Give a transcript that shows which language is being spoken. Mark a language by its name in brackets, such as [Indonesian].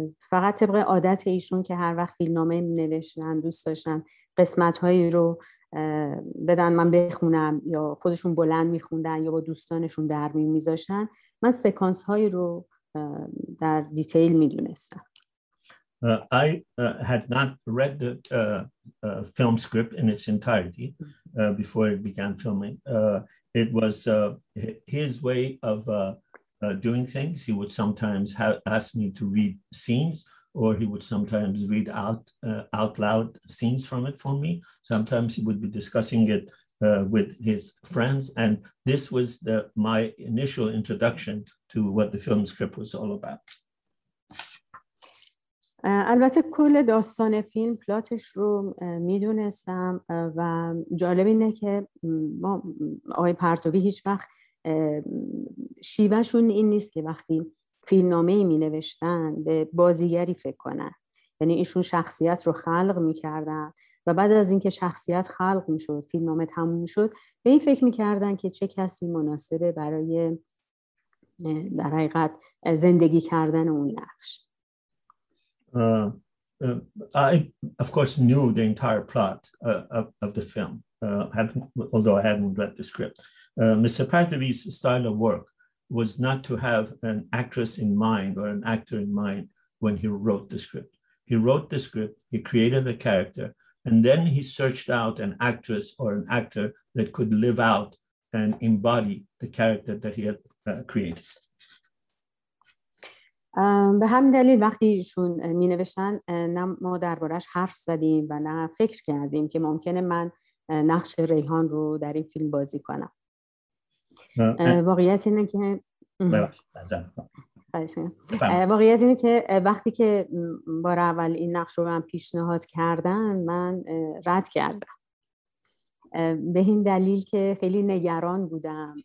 [Persian] فقط طبق عادت ایشون که هر وقت فیلم نامه می نوشتن دوست داشتن قسمت هایی رو بدن من بخونم، یا خودشون بلند میخوندن یا با دوستانشون در میون میذاشتن، من سکانس های رو در دیتیل میدونستم. [English] I had not read the film script in its entirety before it began filming. It was his way of doing things. He would sometimes ask me to read scenes, or he would sometimes read out loud scenes from it for me. Sometimes he would be discussing it with his friends. And this was my initial introduction to what the film script was all about. [Persian] البته کل داستان فیلم پلاتش رو میدونستم و جالب اینه که ما آقای پرتوی هیچ وقت شیوهشون این نیست که وقتی فیلمنامه‌ای می‌نوشتن به بازیگری فکر کنن، یعنی ایشون شخصیت رو خلق می‌کردن و بعد از اینکه شخصیت خلق می‌شد، فیلمنامه تموم می‌شد، به این فکر می‌کردن که چه کسی مناسبه برای در حقیقت زندگی کردن اون نقش. [English] I of course knew the entire plot of the film, although I hadn't read the script. Mr. Partovi's style of work was not to have an actress in mind or an actor in mind when he wrote the script. He wrote the script, he created the character, and then he searched out an actress or an actor that could live out and embody the character that he had created. [Persian] به همین دلیل وقتی ایشون می نوشتن نه ما دربارش حرف زدیم و نه فکر کردیم که ممکنه من نقش ریحان رو در این فیلم بازی کنم. واقعیت اینه که وقتی که بار اول این نقش رو من پیشنهاد کردن، من رد کردم به این دلیل که خیلی نگران بودم.